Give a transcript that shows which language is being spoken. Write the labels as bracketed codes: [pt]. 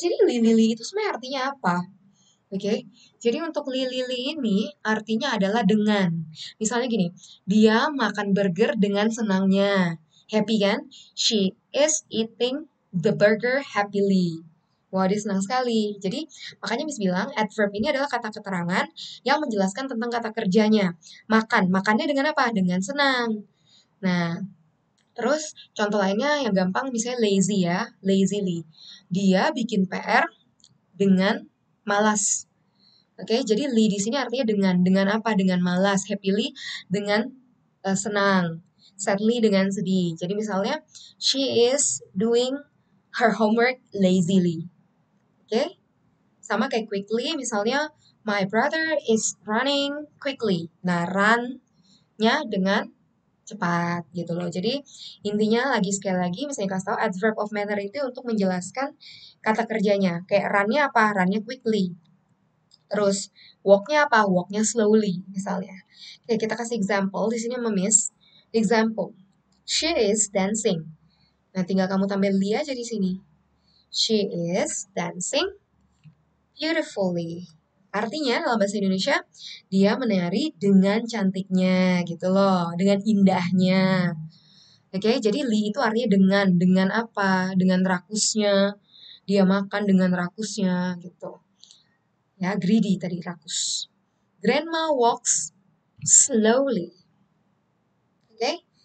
[id] Jadi, li-li-li itu sebenarnya artinya apa? Oke, okay. Jadi untuk li-li-li ini artinya adalah dengan. Misalnya gini, dia makan burger dengan senangnya. Happy, kan? [en] She is eating the burger happily. [id] Wah, dia senang sekali. Jadi, makanya Miss bilang, adverb ini adalah kata keterangan yang menjelaskan tentang kata kerjanya. Makan. Makannya dengan apa? Dengan senang. Nah, terus contoh lainnya yang gampang, misalnya lazy ya. Lazily. Dia bikin PR dengan malas. Oke, okay? Jadi li di sini artinya dengan. Dengan apa? Dengan malas. Happily, dengan senang. Sadly, dengan sedih. Jadi, misalnya, [en] she is doing her homework lazily. Oke, okay. [id] Sama kayak [en] quickly, [id] misalnya, [en] my brother is running quickly. [id] Nah, run-nya dengan cepat, gitu loh. Jadi, intinya lagi sekali lagi, misalnya kasih tahu, adverb of manner itu untuk menjelaskan kata kerjanya. Kayak run-nya apa? Run-nya quickly. Terus, walk-nya apa? Walk-nya slowly, misalnya. Oke, okay, kita kasih example, di sini memis. [en] Example, she is dancing. [id] Nah, tinggal kamu tambahin li aja di sini. [en] She is dancing beautifully. [id] Artinya dalam bahasa Indonesia, dia menari dengan cantiknya gitu loh, dengan indahnya. Oke, okay? Jadi li itu artinya dengan apa? Dengan rakusnya. Dia makan dengan rakusnya gitu. [en] Ya, greedy [id] tadi rakus. [en] Grandma walks slowly. Oke? Okay?